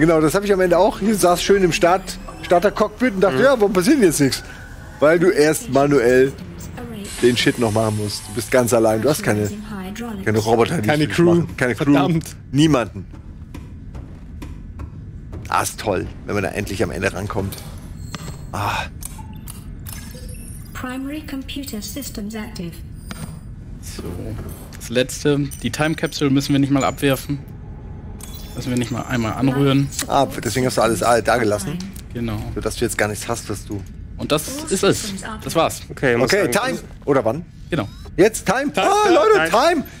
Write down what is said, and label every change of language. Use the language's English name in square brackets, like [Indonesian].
[German] Genau, das habe ich am Ende auch. Hier saß schön im Starter-Cockpit und dachte, ja, warum passiert jetzt nichts? Weil du erst manuell den Shit noch machen musst. Du bist ganz allein. Du hast keine Roboter, die keine Crew. Keine Crew. Verdammt. Niemanden. Ah, ist toll, wenn man da endlich am Ende rankommt. Ah. [English] Primary Computer Systems active. [German] So. Das letzte. Die Time Capsule müssen wir nicht mal abwerfen. Müssen wir nicht mal einmal anrühren. Ah, deswegen hast du alles da gelassen. Genau. So, dass du jetzt gar nichts hast, was du. Und das ist es. Das war's. Okay, Time. Oder wann? Genau. Jetzt Time. Ah, Leute, Time.